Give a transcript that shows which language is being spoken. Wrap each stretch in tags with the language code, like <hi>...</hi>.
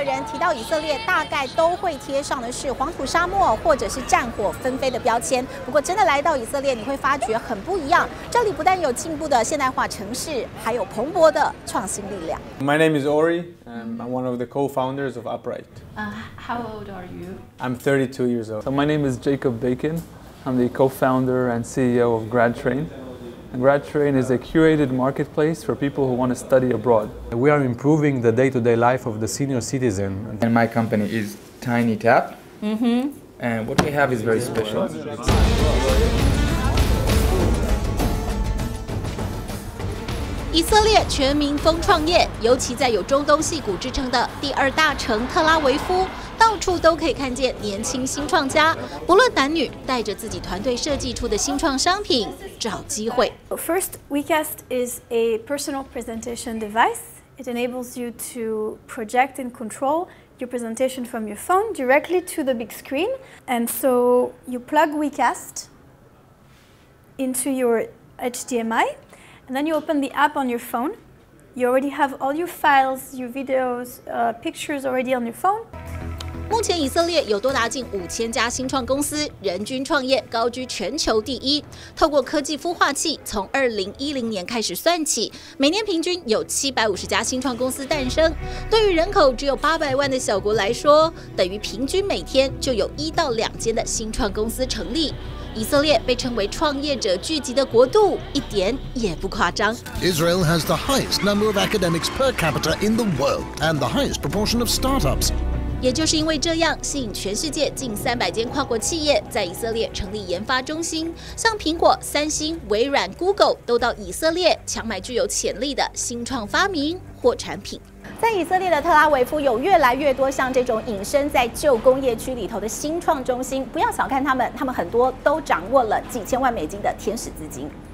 <zh>提到以色列，大概都会贴上的是黄土沙漠或者是战火纷飞的标签。不过真的来到以色列，你会发觉很不一样，这里不但有进步的现代化城市，还有蓬勃的创新力量。</zh> <en>My name is Ori, I'm one of the co-founders of Upright. How old are you? I'm 32 years old. So my name is Jacob Bacon, I'm the co-founder and CEO of GradTrain. And GradTrain is a curated marketplace for people who want to study abroad. We are improving the day-to-day life of the senior citizen. And my company is TinyTap. And what we have is very special.</en> <zh>Israel 全民疯创业，尤其在有中东矽谷之称的第二大城特拉维夫。到处都可以看见年轻新创家，不论男女，带着自己团队设计出的新创商品找机会。</zh> <en>First, WeCast is a personal presentation device. It enables you to project and control your presentation from your phone directly to the big screen. And so you plug WeCast into your HDMI, and then you open the app on your phone. You already have all your files, your videos, pictures already on your phone.</en> <zh>目前以色列有多达近5000家新创公司，人均创业高居全球第一。透过科技孵化器，从2010年开始算起，每年平均有750家新创公司诞生。对于人口只有800万的小国来说，等于平均每天就有1到2间的新创公司成立。以色列被称为创业者聚集的国度，一点也不夸张。</zh> <en>Israel has the highest number of academics per capita in the world, and the highest proportion of startups.</en> <zh>也就是因为这样，吸引全世界近300间跨国企业在以色列成立研发中心，像苹果、三星、微软、Google 都到以色列抢买具有潜力的新创发明或产品。在以色列的特拉维夫，有越来越多像这种隐身在旧工业区里头的新创中心，不要小看他们，他们很多都掌握了几千万美金的天使资金。</zh>